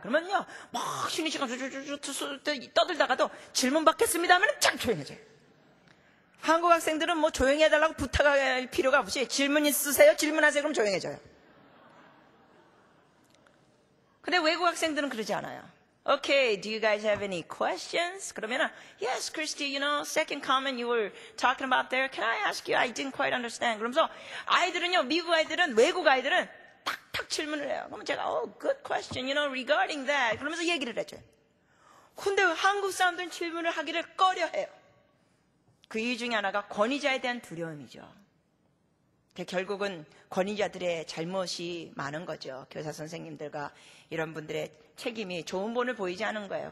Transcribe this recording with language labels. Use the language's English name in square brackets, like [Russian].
[Korean] 그러면요 막 쉬는 시간 떠들다가도 질문 받겠습니다 하면 쫙 조용해져요. 한국 학생들은 뭐 조용히 해달라고 부탁할 필요가 없이 질문 있으세요? 질문하세요? 그럼 조용해져요. 근데 외국 학생들은 그러지 않아요. [English] Okay, do you guys have any questions? 그러면, yes, Christy, you know, second comment you were talking about there. Can I ask you? I didn't quite understand. [Korean] 그러면서 아이들은요, 미국 아이들은, 외국 아이들은 탁탁 질문을 해요. 그러면 제가, [English] oh, good question, you know, regarding that. [Korean] 그러면서 얘기를 해줘요. 근데 한국 사람들은 질문을 하기를 꺼려해요. 그 이유 중에 하나가 권위자에 대한 두려움이죠. 결국은 권위자들의 잘못이 많은 거죠. 교사 선생님들과 이런 분들의 책임이 좋은 본을 보이지 않은 거예요.